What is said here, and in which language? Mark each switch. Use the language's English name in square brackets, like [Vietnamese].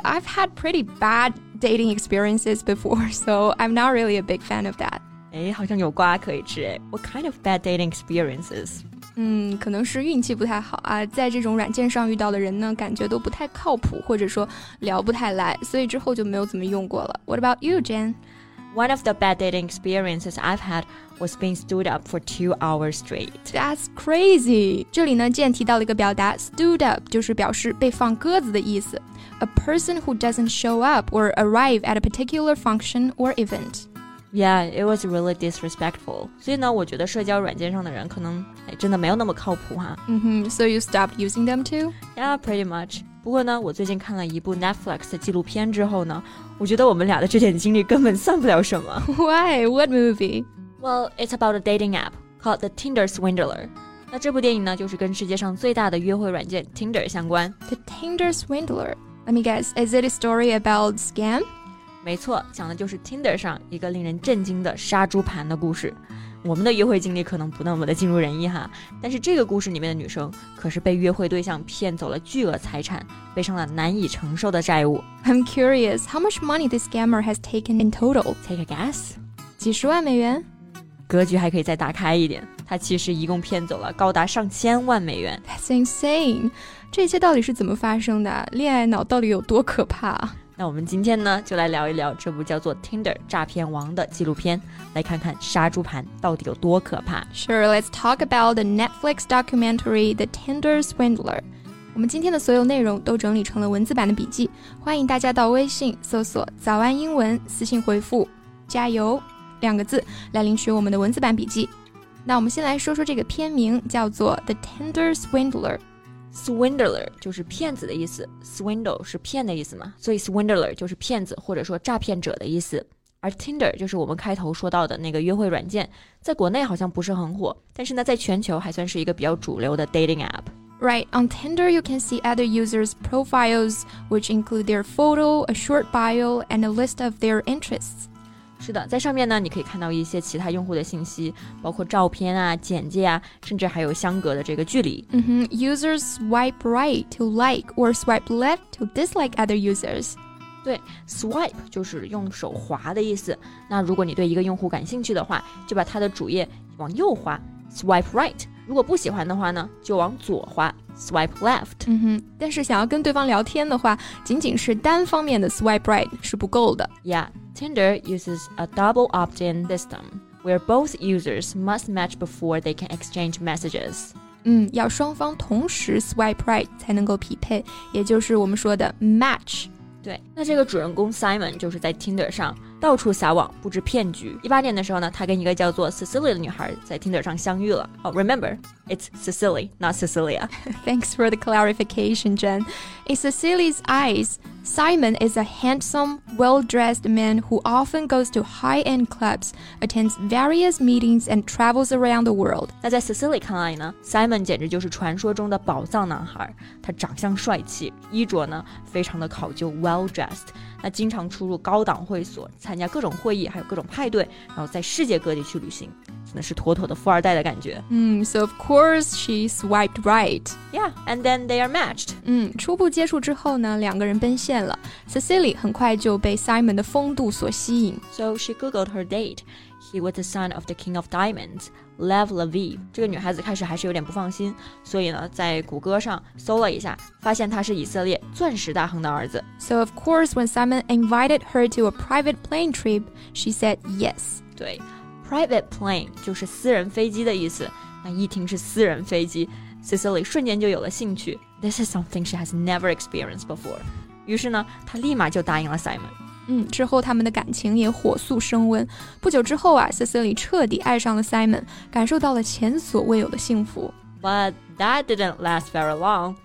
[English] I've had pretty bad dating experiences before, so I'm not really a big fan of that. [Chinese] 哎，好像有瓜可以吃哎。 [English] What kind of bad dating experiences? [Chinese] 可能是运气不太好啊，在这种软件上遇到的人呢，感觉都不太靠谱，或者说聊不太来，所以之后就没有怎么用过了。 [English] What about you, Jen? One of the bad dating experiences I've had was being stood up for 2 hours straight. That's crazy! [Chinese] 这里呢 Jen 提到了一个表达 stood up 就是表示被放鸽子的意思。 [English] A person who doesn't show up or arrive at a particular function or event. Yeah, it was really disrespectful. [Chinese] 所以呢，我觉得社交软件上的人可能真的没有那么靠谱哈。 [English] So you stopped using them too? Yeah, pretty much. [Chinese] 不过呢，我最近看了一部 Netflix 的纪录片之后呢，我觉得我们俩的这点经历根本算不了什么。 [English] Why? What movie? Well, it's about a dating app called the Tinder Swindler. [Chinese] 那这部电影呢，就是跟世界上最大的约会软件 Tinder 相关。 [English] The Tinder Swindler? Let me guess, is it a story about scam? [Chinese] 没错，讲的就是 Tinder 上一个令人震惊的杀猪盘的故事。我们的约会经历可能不那么的尽如人意哈，但是这个故事里面的女生可是被约会对象骗走了巨额财产，背上了难以承受的债务。 [English] I'm curious, how much money this scammer has taken in total? Take a guess. [Chinese] 几十万美元？格局还可以再打开一点，他其实一共骗走了高达上千万美元。 [English] That's insane. [Chinese] 这些到底是怎么发生的？恋爱脑到底有多可怕啊？那我们今天呢，就来聊一聊这部叫做 Tinder 诈骗王的纪录片，来看看杀猪盘到底有多可怕。 [English] Sure, let's talk about the Netflix documentary, The Tinder Swindler. [Chinese] 我们今天的所有内容都整理成了文字版的笔记，欢迎大家到微信搜索早安英文，私信回复加油两个字来领取我们的文字版笔记。那我们先来说说这个片名，叫做 The Tinder Swindler。 Swindler 就是骗子的意思 ，swindle 是骗的意思嘛，所以 swindler 就是骗子或者说诈骗者的意思。而 Tinder 就是我们开头说到的那个约会软件，在国内好像不是很火，但是呢，在全球还算是一个比较主流的 dating app。 [English] Right, on Tinder, you can see other users' profiles, which include their photo, a short bio, and a list of their interests. [Chinese] 是的，在上面呢，你可以看到一些其他用户的信息，包括照片啊、简介啊，甚至还有相隔的这个距离。 [English] Users swipe right to like or swipe left to dislike other users. [Chinese] 对 ，swipe 就是用手滑的意思。那如果你对一个用户感兴趣的话，就把他的主页往右滑 ，swipe right。如果不喜欢的话呢，就往左滑 ，swipe left。但是想要跟对方聊天的话，仅仅是单方面的 swipe right 是不够的。 [English] Yeah. Tinder uses a double opt-in system, where both users must match before they can exchange messages. [Chinese] 要双方同时 swipe right 才能够匹配，也就是我们说的 match. 对，那这个主人公 Simon 就是在 Tinder 上到处撒网布置骗局。 18年的时候呢，他跟一个叫做 Cecily 的女孩在 Tinder 上相遇了。 [English] Oh, remember, it's Cecily, not Cecilia. Thanks for the clarification, Jen. In Cecily's eyes, Simon is a handsome, well-dressed man who often goes to high-end clubs, attends various meetings, and travels around the world. [Chinese] 那在 Cecily 看来呢， Simon 简直就是传说中的宝藏男孩。他长相帅气，衣着呢非常的考究 ，well-dressed。那经常出入高档会所，参加各种会议，还有各种派对，然后在世界各地去旅行，真的是妥妥的富二代的感觉。 [English] So of course she swiped right. Yeah, and then they are matched. [Chinese] 初步接触之后呢，两个人奔现了。Cecily 很快就被 Simon 的风度所吸引。 [English] So she googled her date. He was the son of the king of diamonds, Lev Levy. [Chinese] 这个女孩子开始还是有点不放心，所以呢，在谷歌上搜了一下，发现他是以色列钻石大亨的儿子。 [English] So of course, when Simon invited her to a private plane trip, she said yes. [Chinese] 对。 Private plane 就是私人飞机的意思，那一听是私人飞机， Cecily 瞬间就有了兴趣。 [English] This is something she has never experienced before. [Chinese] 于是呢，他立马就答应了 Simon。嗯，之后他们的感情也火速升温。不久之后啊 ，Cecily 彻底爱上了 Simon， 感受到了前所未有的幸福。 [English] But that didn't last very long.